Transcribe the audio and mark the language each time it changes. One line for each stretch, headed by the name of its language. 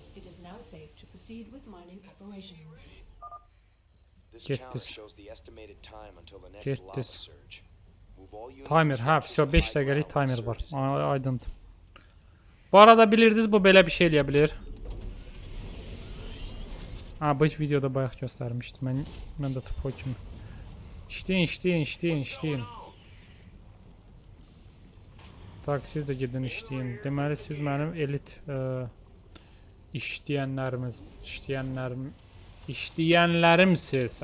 English: It is now safe to proceed with mining operations. This count shows the estimated time until the next lava surge.
Azerbaijani: Timer, hə, vəsə, 5 dəqiqəlik timer var. Aydındır. Bu arada bilirdiniz, bu belə bir şey eləyə bilir. Ha, bu videoda bayaq göstərmişdi. Mən də tıpo kimi. İşləyin. Tak, siz də gedin işləyin. Deməli, siz mənim elit işləyənlərimsiz.